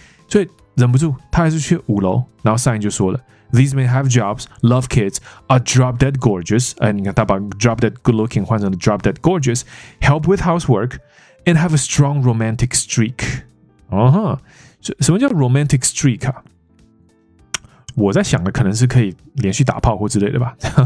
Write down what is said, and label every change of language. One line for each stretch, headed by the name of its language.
Chinese: 所以忍不住，她还是去五楼。然后上一句就说了
English: ，These men have jobs, love kids, are drop dead gorgeous.
Chinese: 哎，你看，他把
English: drop dead good looking
Chinese: 换成了
English: drop dead gorgeous, help with housework, and have a strong romantic streak.
Chinese: 哦哈，什么叫 romantic streak 啊？我在想的可能是可以连续打炮或之类的吧。